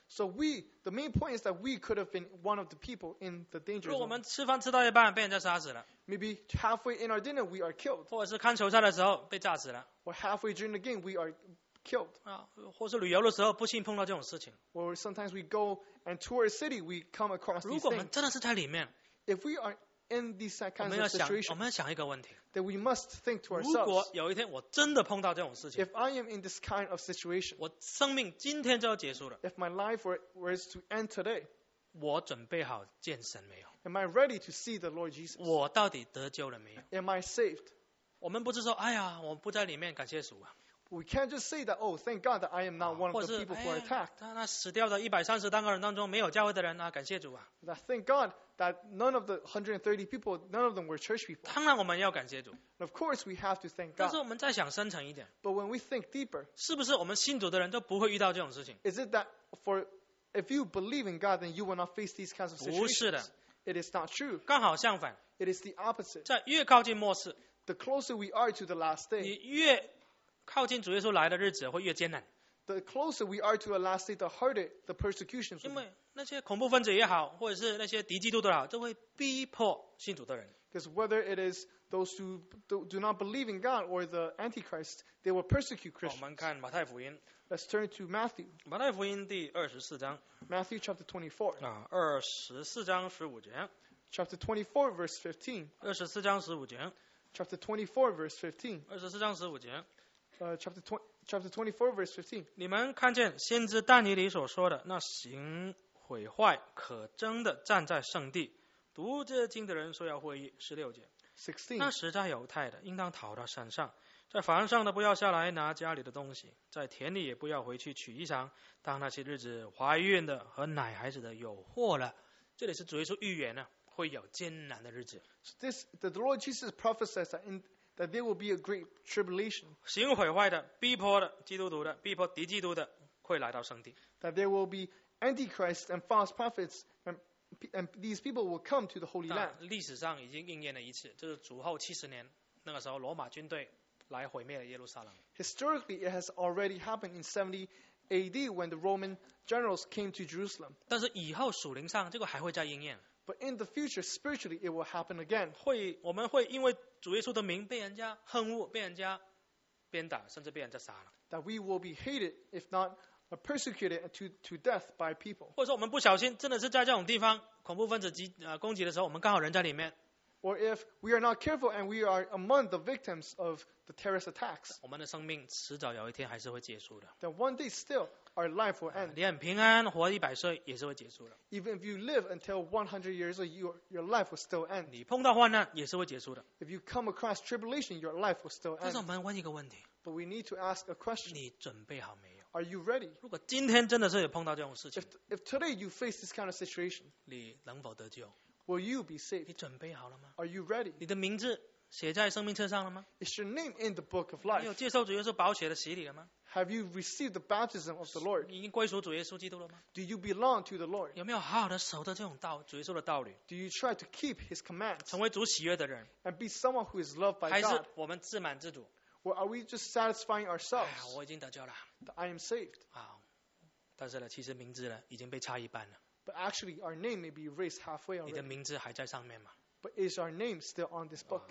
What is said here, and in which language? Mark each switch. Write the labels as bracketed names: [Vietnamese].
[English] So the main point is that we could have been one of the people in the danger zone。 [Chinese] 如果我们吃饭吃到一半被人家杀死了。 [English] Maybe halfway in our dinner we are killed。 [Chinese] 或者是看球赛的时候被炸死了。 [English] Or halfway during the game we are killed。 [Chinese] 或是旅游的时候不幸碰到这种事情。 [English] Or sometimes we go and tour a city, we come across these things。 [Chinese] 如果我们真的是在里面。 [English] If we are in these kinds of situations, [Chinese] 我们要想一个问题。 [English] That we must think to ourselves。 [Chinese] 如果有一天我真的碰到这种事情。 [English] If I am in this kind of situation, [Chinese] 我生命今天就要结束了。 [English] If my life were to end today, [Chinese] 我准备好见神没有。 [English] Am I ready to see the Lord Jesus? [Chinese] 我到底得救了没有。 [English] Am I saved? [Chinese] 我们不是说哎呀我不在里面感谢主啊。 [English] We can't just say that, oh, thank God that I am not one of the people who are attacked. [Chinese] 那死掉的130单个人当中没有教会的人啊，感谢主啊。 [English] That thank God that none of the 130 people, none of them were church people. [Chinese] 当然我们要感谢主。 [English] Of course we have to thank God. [Chinese] 但是我们再想深层一点。 [English] But when we think deeper, [Chinese] 是不是我们信主的人都不会遇到这种事情？ [English] Is it that for, if you believe in God, then you will not face these kinds of situations? [Chinese] 不是的。 [English] It is not true. [Chinese] 刚好相反。 [English] It is the opposite. [Chinese] 在越靠近末世， [English] the closer we are to the last day, [Chinese] 你越靠近主耶稣来的日子会越艰难。 [English] The closer we are to the last day, the harder the persecution. [Chinese] 因为那些恐怖分子也好，或者是那些敌基督的也好，都会逼迫信主的人。 [English] Because whether it is those who do not believe in God or the Antichrist, they will persecute Christians. [Chinese] 我们看马太福音。 [English] Let's turn to Matthew. [Chinese] 马太福音第二十四章。 [English] Matthew chapter 24. [Chinese] 二十四章十五节。 [English] Chapter 24, verse 15. [Chinese] 二十四章十五节。 [English] Chapter 24, verse 15. [Chinese] 二十四章十五节。 [English] Chapter 24, verse 15. [Chinese] 你们看见先知但尼里所说的那行毁坏可憎的站在圣地，读这经的人说要会意。十六节。 [English] 16. [Chinese] 那实在犹太的，应当逃到山上，在房上的不要下来拿家里的东西，在田里也不要回去取衣裳。当那些日子，怀孕的和奶孩子的有祸了。这里是主耶稣预言呢，会有艰难的日子。 [English] So this, the Lord Jesus prophesies that in. That there will be a great tribulation. [Chinese] 行毁坏的，逼迫的，基督徒的，逼迫敌基督的，会来到圣地。 [English] That there will be antichrist and false prophets, and these people will come to the holy land. [Chinese] 历史上已经应验了一次，就是主后七十年，那个时候罗马军队来毁灭了耶路撒冷。 [English] Historically, it has already happened in 70 AD when the Roman generals came to Jerusalem. [Chinese] 但是以后属灵上，这个还会再应验。 [English] But in the future, spiritually, it will happen again. [Chinese] 会，我们会因为主耶稣的名被人家恨恶，被人家鞭打，甚至被人家杀了。 [English] That we will be hated, if not persecuted to death by people. [Chinese] 或者说我们不小心，真的是在这种地方恐怖分子攻击的时候，我们刚好人在里面。 [English] Or if we are not careful and we are among the victims of the terrorist attacks. [Chinese] 我们的生命迟早有一天还是会结束的。 [English] Then one day still. Our life will end. [Chinese] 你很平安，活一百岁也是会结束的。 [English] Even if you live until 100 years old, your life will still end. [Chinese] 你碰到患难也是会结束的。 [English] If you come across tribulation, your life will still end. [Chinese] 但是我们问一个问题。 [English] But we need to ask a question. [Chinese] 你准备好没有？ [English] Are you ready? [Chinese] 如果今天真的是有碰到这种事情， [English] if today you face this kind of situation, [Chinese] 你能否得救？ [English] Will you be saved? [Chinese] 你准备好了吗？ [English] Are you ready? [Chinese] 你的名字写在生命册上了吗？ [English] Is your name in the book of life? [Chinese] 你有接受主耶稣宝血的洗礼了吗？ [English] Have you received the baptism of the Lord? [Chinese] 你已经归属主耶稣基督了吗？ [English] Do you belong to the Lord? [Chinese] 有没有好好的守着这种道，主耶稣的道理？ [English] Do you try to keep his commands? [Chinese] 成为主喜悦的人？ [English] And be someone who is loved by God? [Chinese] 还是我们自满自主？ [English] Or are we just satisfying ourselves? [Chinese] 我已经得救了。 [English] I am saved. [Chinese] 但是呢，其实名字呢，已经被擦一半了。 [English] But actually, our name may be erased halfway already. [Chinese] 你的名字还在上面吗？ [English] But is our name still on this book?